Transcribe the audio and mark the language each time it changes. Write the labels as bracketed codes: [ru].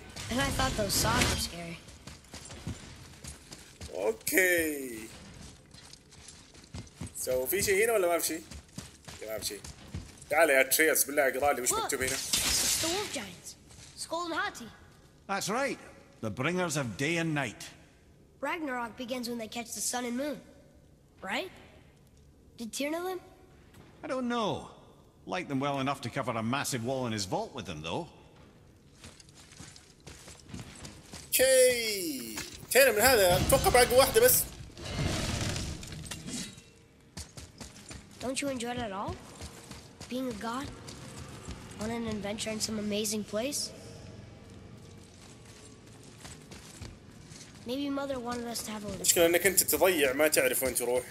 [en] And I thought those songs were scary. Okay. [ar] So في شيء هنا ولا ما في شيء؟ ما في شيء. تعال يا أتريوس بالله اقرالي وش مكتوب هنا. [en] The wolf giants, Skull and Hati. That's right. The bringers of day and night. Ragnarok begins when they catch the sun and moon, right? Did Tyr know them? I don't know. Like them well enough to cover a massive wall in his vault with them, though. Okay. [ar] Tyr من هذا توقف عقب واحدة بس. [en] Don't you enjoy it at all? Being a god? On an adventure in some amazing place? Maybe mother wanted us to have a little. [ar] مشكلة انك انت تضيع ما تعرف وين تروح.